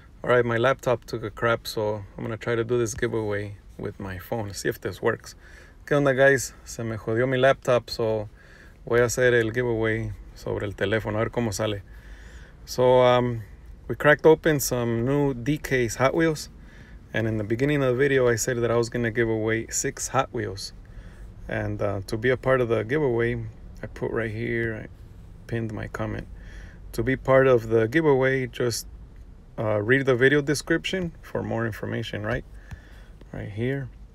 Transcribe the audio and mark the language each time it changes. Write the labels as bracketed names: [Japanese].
[English] All right, my laptop took a crap, so I'm gonna try to do this giveaway with my phone. See if this works. [Spanish] ¿Qué onda, [English] guys? [Spanish] Se me jodió mi laptop, so voy a hacer el giveaway sobre el teléfono. A ver cómo sale. [English] So we cracked open some new DKs Hot Wheels, and in the beginning of the video, I said that I was gonna give away 6 Hot Wheels, and to be a part of the giveaway, I put right here. I pinned my comment. To be part of the giveaway, just read the video description for more information, right? Right here.